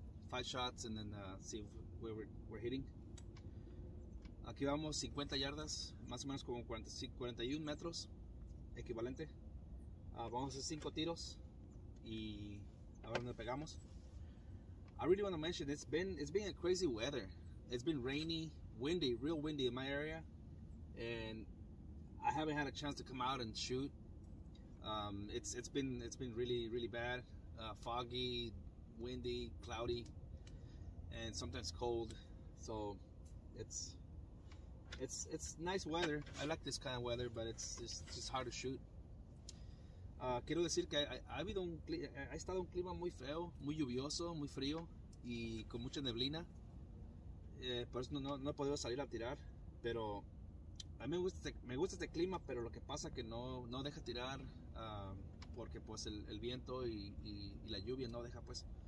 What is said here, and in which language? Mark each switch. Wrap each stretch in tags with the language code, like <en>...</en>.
<en>Five shots and then see where we're hitting.</en> <es>Aquí vamos 50 yardas, más o menos como 41 metros equivalente. Vamos a hacer 5 tiros y a ver dónde pegamos.</es> <en>I really wanna mention, it's been a crazy weather. It's been rainy, windy, real windy in my area. And I haven't had a chance to come out and shoot. It's been really, really bad. Foggy, windy, cloudy, and sometimes cold. So it's nice weather. I like this kind of weather, but it's just hard to shoot.</en> <es>Quiero decir que ha estado un clima muy feo, muy lluvioso, muy frío y con mucha neblina. Por eso no he podido salir a tirar, pero a mí me gusta este clima, pero lo que pasa es que no deja tirar porque pues el viento y la lluvia no deja pues.</es>